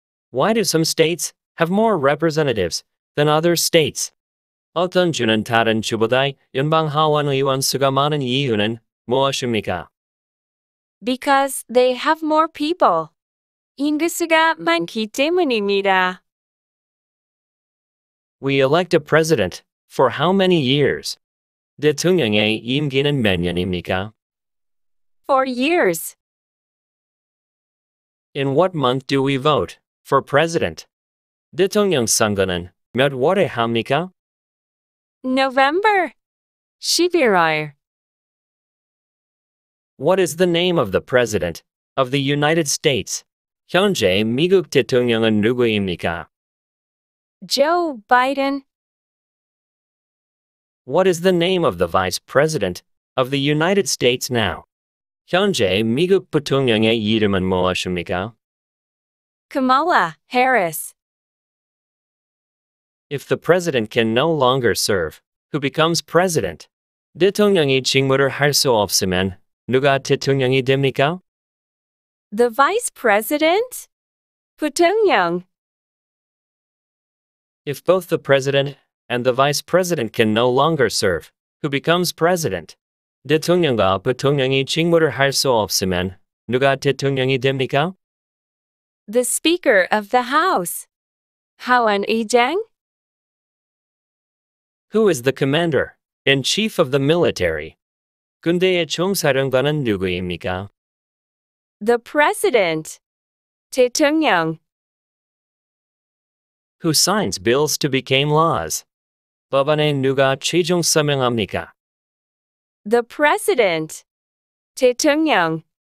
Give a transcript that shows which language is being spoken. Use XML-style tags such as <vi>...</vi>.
<en>Why do some states have more representatives than other states?</en> <ko>어떤 주는 다른 주보다 연방 하원 의원 수가 많은 이유는 무엇입니까?</ko> <en>Because they have more people.</en> <ko>인구 수가 많기 때문입니다.</ko> <en>We elect a president for how many years?</en> <ko>대통령의 임기는 몇 년입니까?</ko> <en>4 years. In what month do we vote for president?</en> <ko>대통령 선거는 몇 월에 합니까?</ko> <en>November.</en> <ko>11월.</ko> <en>What is the name of the president of the United States?</en> <ko>현재 미국 대통령은 누구입니까?</ko> <en>Joe Biden. What is the name of the vice president of the United States now?</en> <ko>현재 미국 부통령의 이름은 무엇입니까?</ko> <en>Kamala Harris. If the president can no longer serve, who becomes president?</en> <ko>대통령이 직무를 할 수 없으면 누가 대통령이 됩니까?</ko> <en>The vice president?</en> <ko>부통령.</ko> <en>If both the president and the vice president can no longer serve, who becomes president?</en> <ko>대통령과 부통령이 직무를 할 수 없으면 누가 대통령이 됩니까?</ko> <en>The Speaker of the House.</en> <ko>하원 의장.</ko> <en>Who is the commander in chief of the military?</en> <ko>군대의 총사령관은 누구입니까?</ko> <en>The President.</en> <ko>대통령.</ko> <en>Who signs bills to become laws?</en> <ko>법안에 누가 최종 서명합니까?</ko> <en>The President.</en> <ko>대통령.</ko>